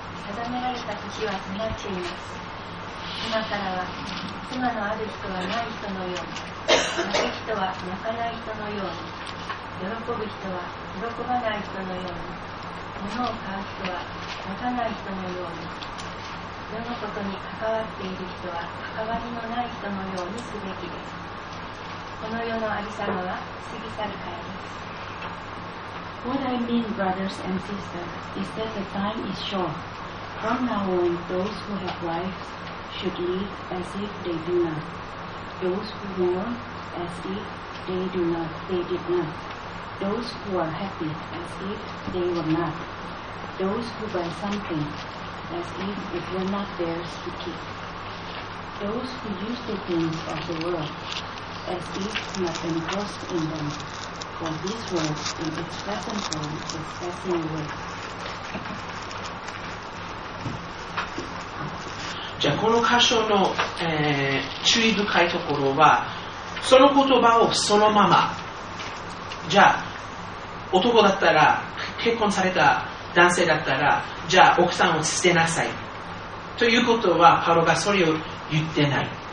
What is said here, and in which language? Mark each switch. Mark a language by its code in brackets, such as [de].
[ja] 定められた時は迫っています。今からは妻のある人はない人のように、泣く人は泣かない人のように、喜ぶ人は喜ばない人のように、物を買う人は持たない人のように、世のことに関わっている人は関わりのない人のようにすべきです。この世のありさまは過ぎ去るからです。 [en] What I mean, brothers and sisters, is that the time is short. From now on, those who have wives should live as if they do not. Those who mourn as if they do not, they did not. Those who are happy as if they were not. Those who buy something,as if it were not theirs to keep. Those who use the things of the world, as if not engrossed in them, for this world in its present form is passing away. [ja] じゃあこの箇所の、注意深いところは、その言葉をそのまま、じゃあ男だったら、結婚された男性だったら、じゃあ奥さんを捨てなさいということはパロがそれを言ってない。